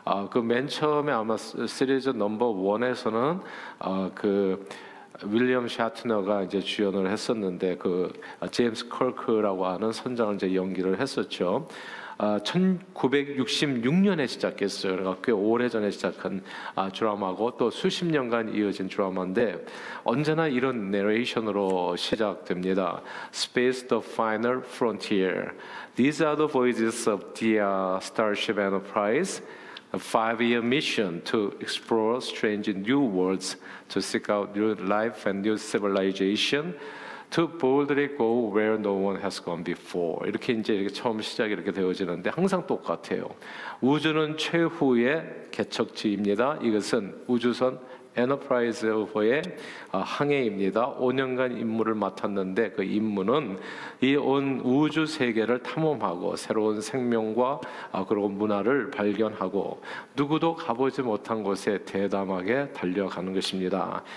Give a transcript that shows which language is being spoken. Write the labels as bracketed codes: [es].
[ko] 그 맨 처음에 아마 시리즈 넘버 원에서는 그 윌리엄 샤트너가 이제 주연을 했었는데 그 제임스 커크라고 하는 선장을 이제 연기를 했었죠. 1966년에 시작했어요. 그러니까 꽤 오래전에 시작한 드라마고 또 수십 년간 이어진 드라마인데 언제나 이런 내레이션으로 시작됩니다. [en] Space the final frontier. These are the voyages of the Starship Enterprise. A five-year mission to explore strange new worlds, to seek out new life and new civilization. To boldly go where no one has gone before. [ko] 이렇게 이제 이렇게 처음 시작이 이렇게 되어지는데 항상 똑같아요. 우주는 최후의 개척지입니다. 이것은 우주선 엔터프라이즈의 항해입니다. 5년간 임무를 맡았는데 그 임무는 이 온 우주 세계를 탐험하고 새로운 생명과 그리고 문화를 발견하고 누구도 가보지 못한 곳에 대담하게 달려가는 것입니다.